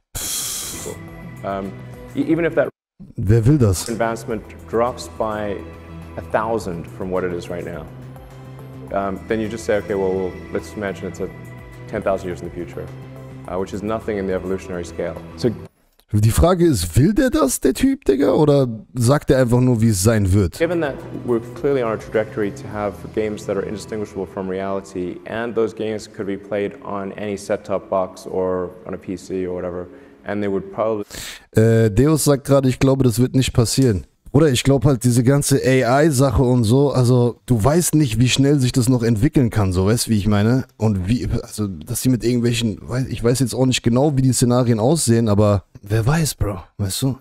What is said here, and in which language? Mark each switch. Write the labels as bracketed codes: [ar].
[en] people. Even if that [de] Wer will das? [en] Advancement drops by 1,000 from what it is right now, then you just say, okay, well, let's imagine it's a 10,000 years in the future, which is nothing in the evolutionary scale. [de] So die Frage ist, will der das, der Typ, Digga, oder sagt er einfach nur, wie es sein wird? [en] Given that we're clearly on a trajectory to have games that are indistinguishable from reality, and those games could be played on any set-top box or on a PC or whatever, and they would probably... [de] Deus sagt gerade, ich glaube, das wird nicht passieren. Oder ich glaube halt, diese ganze AI-Sache und so, also du weißt nicht, wie schnell sich das noch entwickeln kann, so weißt du, wie ich meine? Und wie, also, dass sie mit irgendwelchen, ich weiß jetzt auch nicht genau, wie die Szenarien aussehen, aber wer weiß, Bro, weißt du?